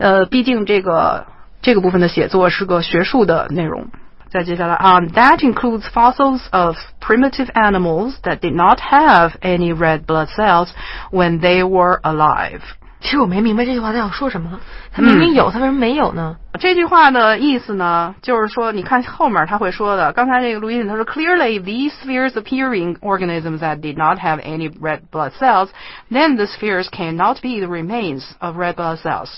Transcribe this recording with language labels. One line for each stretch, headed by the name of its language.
Chinese: 毕竟这个部分的写作是个学术的内容。再接下来啊、
English: that includes fossils of primitive animals that did not have any red blood cells when they were alive。
Chinese: 其实我没明白这句话他要说什么，他明明有、他为什么没有呢？这句话的意思呢，就是说你看后面他会说的，刚才这个录音他说
English: clearly these spheres appearing organisms that did not have any red blood cells then the spheres cannot be the remains of red blood cells。